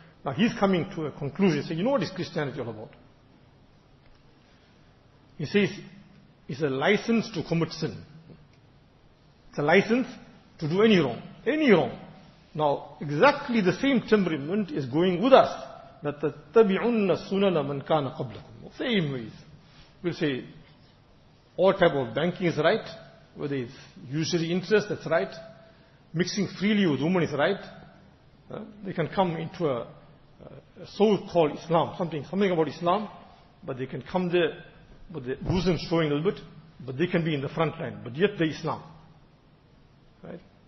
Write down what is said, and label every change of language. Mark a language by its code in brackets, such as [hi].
[en] Now he's coming to a conclusion. Say, you know what is Christianity all about? He says, it's a license to commit sin. It's a license to do any wrong. Any wrong. Now, exactly the same temperament is going with us. [ar] لَتَتَّبِعُنَّ السُّنَنَ مَنْ كَانَ قَبْلَكُمْ [en] Same ways. We'll say, all type of banking is right. Whether it's usury interest, that's right. Mixing freely with women is right. They can come into a so-called Islam, something about Islam, but they can come there with the bosom showing a little bit, but they can be in the front line, but yet they're Islam. Right?